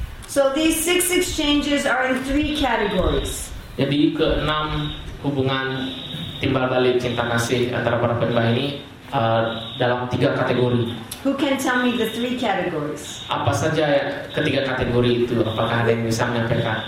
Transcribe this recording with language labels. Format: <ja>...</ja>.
<en>So these 6 exchanges are in 3 categories.</en> <id>Jadi keenam hubungan timbal balik cinta kasih antara para penyembah ini dalam tiga kategori.</id> <en>Who can tell me the three categories?</en> <id>Apa saja ketiga kategori itu? Apakah ada yang bisa menyampaikan?</id>